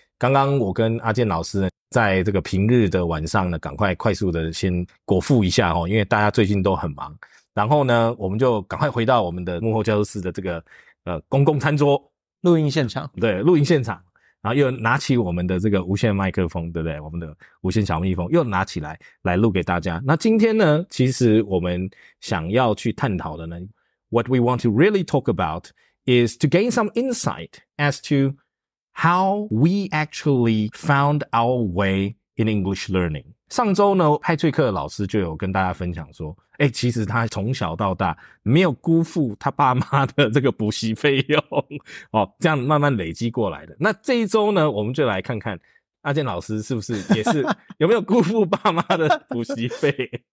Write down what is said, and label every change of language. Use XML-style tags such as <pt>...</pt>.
<zh>刚刚我跟阿健老师在这个平日的晚上呢，赶快快速的先果腹一下哦，因为大家最近都很忙。然后呢，我们就赶快回到我们的幕后教室的这个公共餐桌录音现场，对，录音现场，然后又拿起我们的这个无线麦克风，对不对？我们的无线小蜜蜂又拿起来来录给大家。那今天呢，其实我们想要去探讨的呢</zh> <en>，What we want to really talk about is to gain some insight as to how we actually found our way in English learning.</en> <zh>上周呢，派翠克老师就有跟大家分享说，欸，其实他从小到大没有辜负他爸妈的这个补习费用，哦，这样慢慢累积过来的。那这一周呢，我们就来看看阿健老师是不是也是有没有辜负爸妈的补习费。</zh>